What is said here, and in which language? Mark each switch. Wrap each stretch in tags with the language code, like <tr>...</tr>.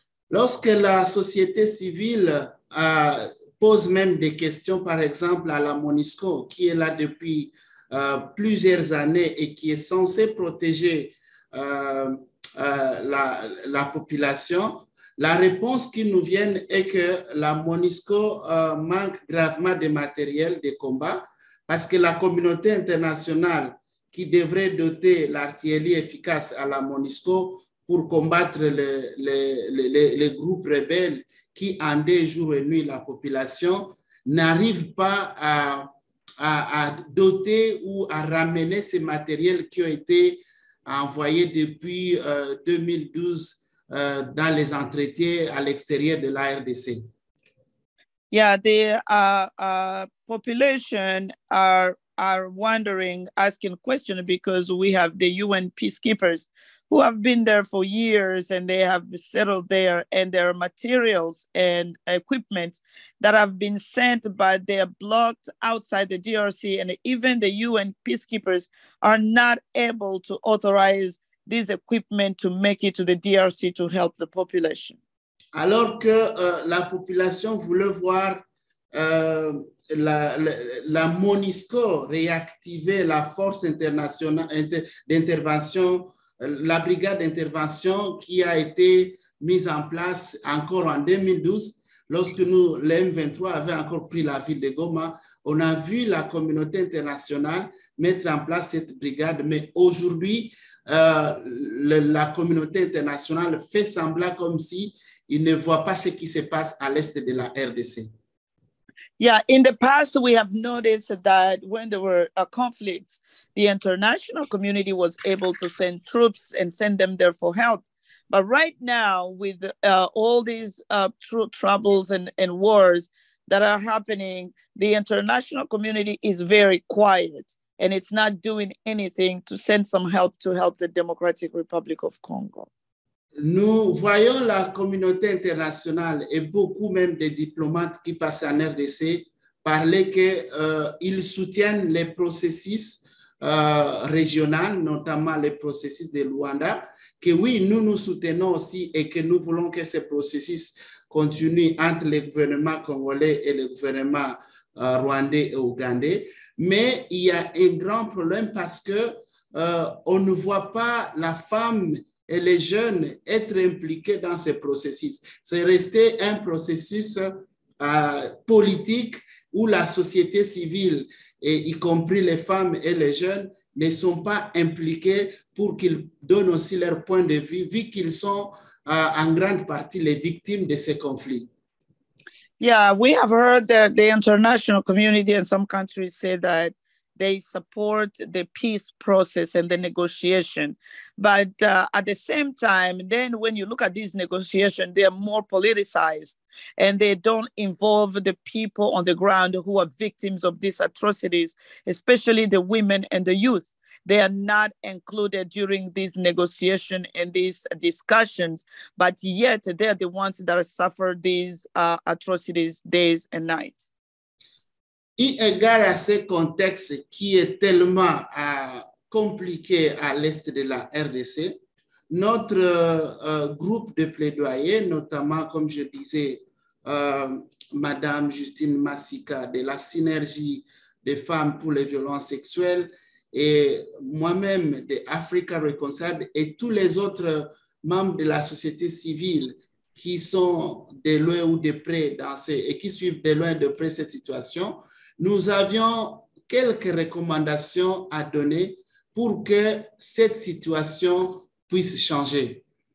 <fr>Lorsque la société civile pose même des questions, par exemple, à la MONUSCO, qui est là depuis plusieurs années et qui est censé protéger la population, la réponse qui nous vient est que la MONUSCO manque gravement de matériel de combat parce que la communauté internationale qui devrait doter l'artillerie efficace à la MONUSCO pour combattre les groupes rebelles qui endeuillent jour et nuit la population n'arrive pas à doter ou à ramener ces matériels qui ont été envoyés depuis 2012 dans les entretiens à l'extérieur de la RDC.</fr> <en>Yeah, the population are wondering, asking questions because we have the UN peacekeepers who have been there for years and they have settled there, and there are materials and equipment that have been sent, but they are blocked outside the DRC, and even the UN peacekeepers are not able to authorize this equipment to make it to the DRC to help the population.</en> <fr>Alors que la population voulait voir la MONUSCO réactiver la force internationale d'intervention, la brigade d'intervention qui a été mise en place encore en 2012, lorsque nous, l'M23 avait encore pris la ville de Goma, on a vu la communauté internationale mettre en place cette brigade. Mais aujourd'hui, la communauté internationale fait semblant comme si il ne voit pas ce qui se passe à l'est de la RDC.</fr> <en>Yeah, in the past, we have noticed that when there were conflicts, the international community was able to send troops and send them there for help. But right now, with all these troubles and wars that are happening, the international community is very quiet, and it's not doing anything to send some help to help the Democratic Republic of Congo.</en> <fr>Nous voyons la communauté internationale et beaucoup même des diplomates qui passent en RDC parler qu'ils soutiennent les processus régional, notamment les processus de Luanda, que oui, nous nous soutenons aussi et que nous voulons que ces processus continuent entre le gouvernement congolais et le gouvernement rwandais et ougandais. Mais il y a un grand problème parce que on ne voit pas la femme et les jeunes être impliqués dans ces processus. C'est resté un processus politique où la société civile, et y compris les femmes et les jeunes, ne sont pas impliqués pour qu'ils donnent aussi leur point de vue, vu qu'ils sont en grande partie les victimes de ces conflits.</fr> <en>Yeah, we have heard that the international community in some countries say that they support the peace process and the negotiation. But at the same time, then when you look at these negotiations, they are more politicized and they don't involve the people on the ground who are victims of these atrocities, especially the women and the youth. They are not included during these negotiations and these discussions, but yet they are the ones that suffer these atrocities days and nights.</en> <fr>Et égard à ce contexte qui est tellement compliqué à l'est de la RDC, notre groupe de plaidoyer, notamment, comme je disais, Madame Justine Masika, de la synergie des femmes pour les violences sexuelles, et moi-même, de Africa Reconciled, et tous les autres membres de la société civile qui sont de loin ou de près dans ces, et qui suivent de loin et de près cette situation, nous avions quelques recommandations à donner pour que cette situation puisse changer.</fr>